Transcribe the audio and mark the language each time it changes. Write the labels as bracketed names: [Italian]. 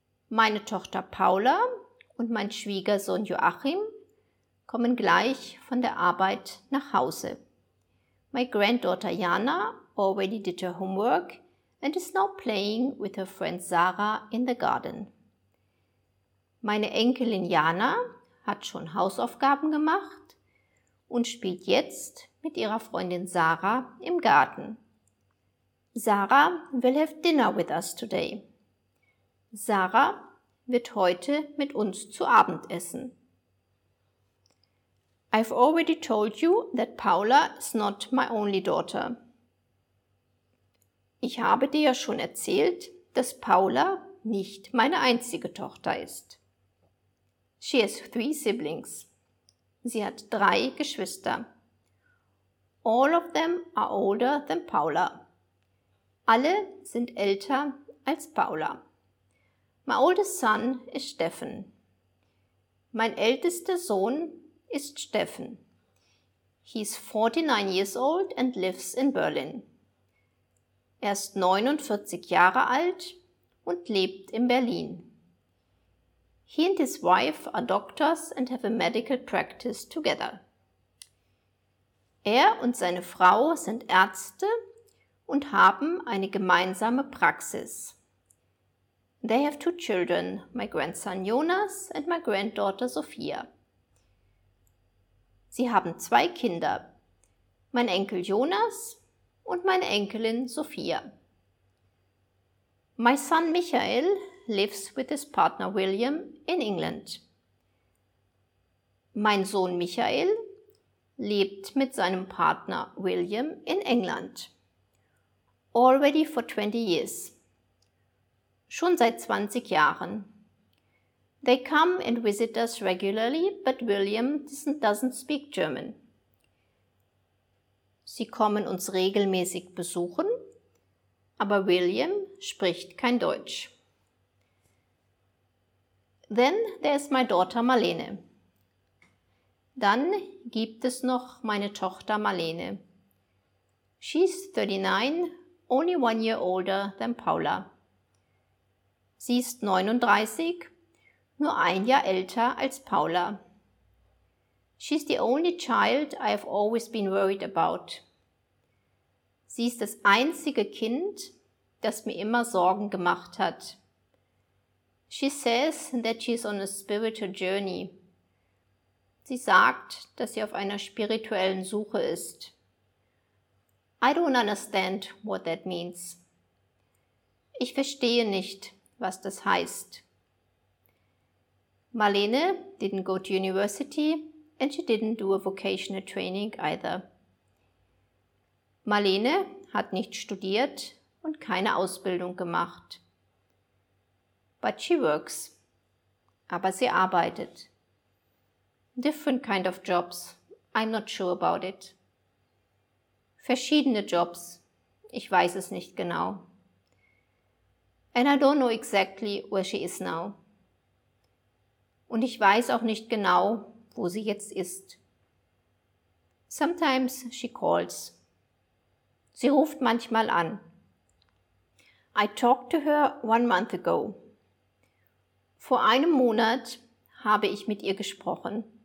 [German] Meine Tochter Paula und mein Schwiegersohn Joachim kommen gleich von der Arbeit nach Hause. [English] My granddaughter Jana already did her homework and is now playing with her friend Sarah in the garden. [German] Meine Enkelin Jana hat schon Hausaufgaben gemacht und spielt jetzt mit ihrer Freundin Sarah im Garten. [English] Sarah will have dinner with us today. [German] Sarah wird heute mit uns zu Abend essen. [English] I've already told you that Paula is not my only daughter. [German] Ich habe dir ja schon erzählt, dass Paula nicht meine einzige Tochter ist. [English] She has 3 siblings. [German] Sie hat 3 Geschwister. [English] All of them are older than Paula. [German] Alle sind älter als Paula. [English] My oldest son is Steffen. [German] Mein ältester Sohn ist Steffen. [English] He's 49 years old and lives in Berlin. [German] Er ist 49 Jahre alt und lebt in Berlin. [English] He and his wife are doctors and have a medical practice together. [German] Er und seine Frau sind Ärzte und haben eine gemeinsame Praxis. [English] They have two children, my grandson Jonas and my granddaughter Sophia. [German] Sie haben zwei Kinder, mein Enkel Jonas und meine Enkelin Sophia. [English] My son Michael lives with his partner William in England. [German] Mein Sohn Michael lebt mit seinem Partner William in England. [English] Already for 20 years. [German] Schon seit 20 Jahren. [English] They come and visit us regularly, but William doesn't speak German. [German] Sie kommen uns regelmäßig besuchen, aber William spricht kein Deutsch. [English] Then there's my daughter Marlene. [German] Dann gibt es noch meine Tochter Marlene. [English] She's 39, only one year older than Paula. [German] Sie ist 39, nur ein Jahr älter als Paula. [English] She's the only child I've always been worried about. [German] Sie ist das einzige Kind, das mir immer Sorgen gemacht hat. [English] She says that she's on a spiritual journey. [German] Sie sagt, dass sie auf einer spirituellen Suche ist. [English] I don't understand what that means. [German] Ich verstehe nicht, was das heißt. [English] Marlene didn't go to university and she didn't do a vocational training either. [German] Marlene hat nicht studiert und keine Ausbildung gemacht. [English] But she works. [German] Aber sie arbeitet. [English] Different kind of jobs. I'm not sure about it. [German] Verschiedene Jobs. Ich weiß es nicht genau. [English] And I don't know exactly where she is now. [German] Und ich weiß auch nicht genau, wo sie jetzt ist. [English] Sometimes she calls. [German] Sie ruft manchmal an. [English] I talked to her 1 month ago. [German] Vor einem Monat habe ich mit ihr gesprochen.